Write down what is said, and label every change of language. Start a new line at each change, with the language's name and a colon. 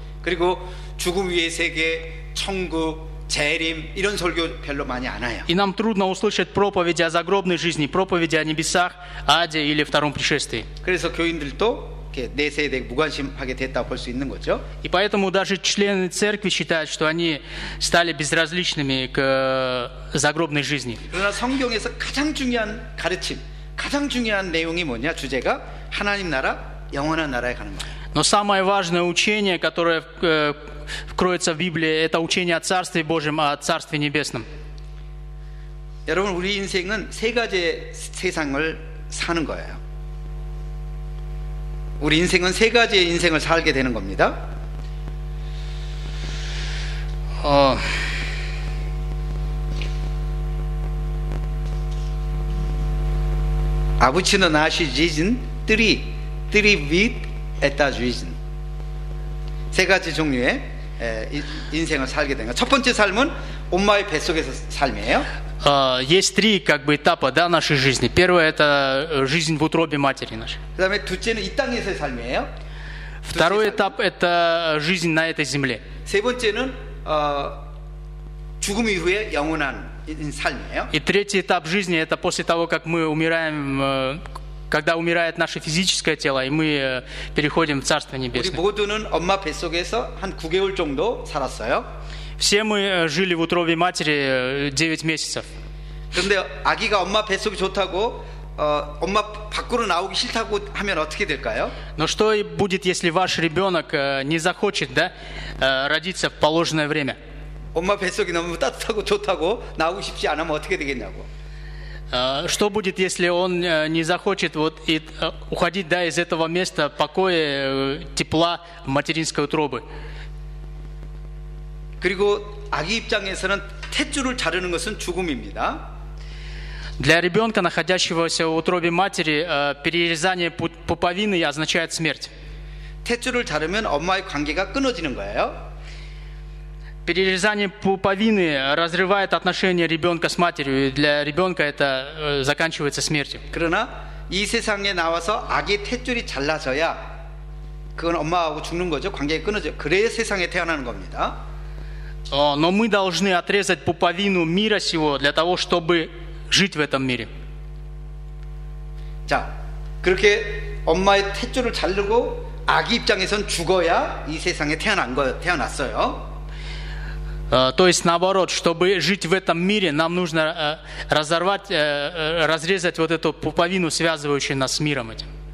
Korean: 그리고 죽음 위의 세계, 천국, 재림 이런 설교 별로 많이 안 와요.
Russian: И нам трудно услышать проповеди о загробной жизни, проповеди о небесах, аде или втором пришествии.
Korean: 그래서 교인들도 내세에 대해 무관심하게 됐다고 볼 수 있는 거죠.
Russian: И поэтому даже члены церкви считают, что они стали безразличными к загробной жизни.
Korean: 그러나 성경에서 가장 중요한 가르침, 가장 중요한 내용이 뭐냐? 주제가 하나님 나라, 영원한 나라에 가는 거예요.
Russian: Но самое важное учение, которое кроется в Библии, это учение о Царстве Божьем, о Царстве Небесном.
Korean: 여러분, 우리 인생은 세 가지 세상을 사는 거예요. 우리 인생은 세 가지의 인생을 살게 되는 겁니다. 아부치는 나시 지진 3 빛 에타 주이진 세 가지 종류의 인생을 살게 된 거. 첫 번째 삶은 엄마의 뱃속에서 삶이에요.
Russian: Есть три как бы этапа, да, нашей жизни. Первое это жизнь в утробе матери нашей.
Korean: 그다음에 둘째는 이 땅에서의 삶이에요.
Russian: Второй этап это жизнь на этой земле.
Korean: 세 번째는 죽음 이후에 영원한 삶이에요.
Russian: И третий этап жизни это после того, как мы умираем, когда умирает наше физическое тело, и мы переходим в Царство Небесное.
Korean: 우리 모두는 엄마 뱃속에서 한 9개월 정도 살았어요.
Russian: Все мы жили в утробе матери 9 месяцев.
Korean: 그런데 아기가 엄마 뱃속이 좋다고 엄마 밖으로 나오기 싫다고 하면 어떻게 될까요?
Russian: Но что будет, если ваш ребенок не захочет, да, родиться в положенное время?
Korean: 엄마 뱃속이 너무 따뜻하고 좋다고 나오고 싶지 않으면 어떻게 되겠냐고?
Russian: Что будет, если он не захочет вот уходить, да, из этого места покоя, тепла материнской утробы?
Korean: 그리고 아기 입장에서는 탯줄을 자르는 것은 죽음입니다.
Russian: Для ребенка, находящегося в утробе матери, перерезание пуповины означает смерть.
Korean: 탯줄을 자르면 엄마의 관계가 끊어지는 거예요.
Russian: Перерезание пуповины разрывает отношения ребенка с матерью, и для ребенка это заканчивается смертью.
Korean: 그러나 이 세상에 나와서 아기 탯줄이 잘라져야 그건 엄마하고 죽는 거죠. 관계가 끊어져. 그래야 세상에 태어나는 겁니다.
Russian: Но мы должны отрезать пуповину мира сего для того, чтобы жить в этом мире.
Korean: 자, 그렇게 엄마의 탯줄을 자르고 아기 입장에선 죽어야 이 세상에 태어난 거 태어났어요.
Russian: То есть наоборот, чтобы жить в этом мире, нам нужно разрезать вот эту пуповину, связывающую нас с миром этим.